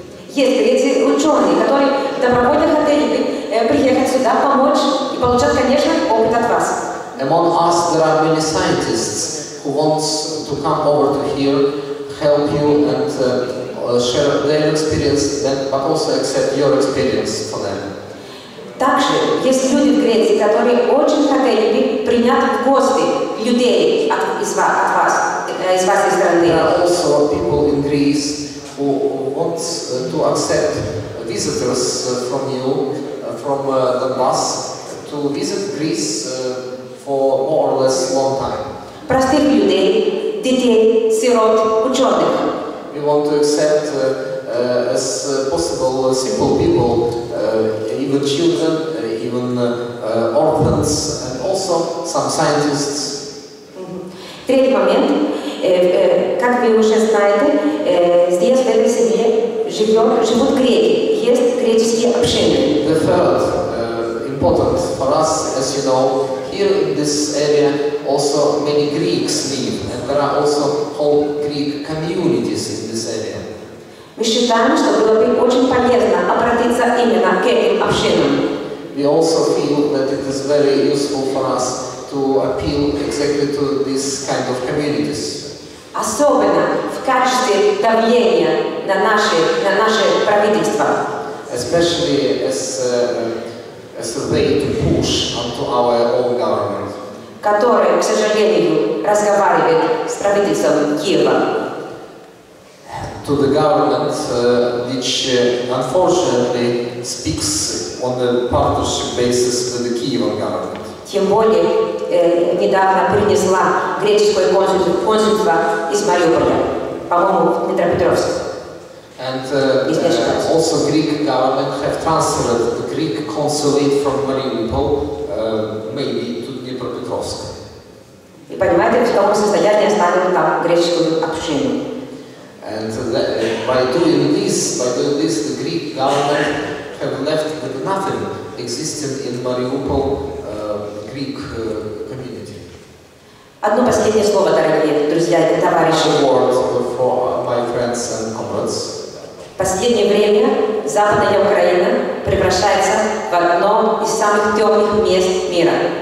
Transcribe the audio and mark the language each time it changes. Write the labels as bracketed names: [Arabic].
[Russian] Есть эти ученые, которые добровольно хотели бы приехать сюда, помочь и получать, конечно, опыт от вас. [English] Among us there are many scientists who want to come over to here, help you and share their experience, then, but also accept your experience for them. [Russian] Также есть люди в Греции, которые очень хотели бы принять гости людей из вас из страны. [English] Greece who wants to accept visitors from you, from the bus, to visit Greece for more or less long time. [Russian] Простых людей, детей, сирот, ученых. [English] We want to accept as possible simple people, even children, even orphans, and also some scientists. [Russian] Третий момент. Как вы уже знаете, здесь в этой семье живут греки, есть греческие общины. [English] The third important for us, as you know, here in this area also many Greeks live, and there are also whole Greek communities in this area. [Russian] Мы считаем, что было бы очень полезно обратиться именно к этим общинам. [English] We also feel that it is very useful for us to appeal exactly to this kind of communities. [Russian] Особенно в качестве давления на наше правительство. [English] Especially as a way to push onto our own government. [Russian] Которое, к сожалению, разговаривает с правительством Киева. [English] To the government, which unfortunately speaks on the partnership basis with the Kievan government. [Russian] Тем более, недавно принесла греческое консульство из Мариуполя, по-моему, в Днепропетровск. [English] And also Greek government have transferred the Greek consulate from Mariupol, maybe to Днепропетровск. [Russian] И понимаете, в каком состоянии оставили там греческую общину. [English] And by doing this, the Greek government have left with nothing existing in Mariupol, Greek community. [Russian] Одно последнее слово, дорогие друзья и товарищи. [English] For my friends and comrades. [Russian] В последнее время Западная Украина превращается в одно из самых темных мест мира.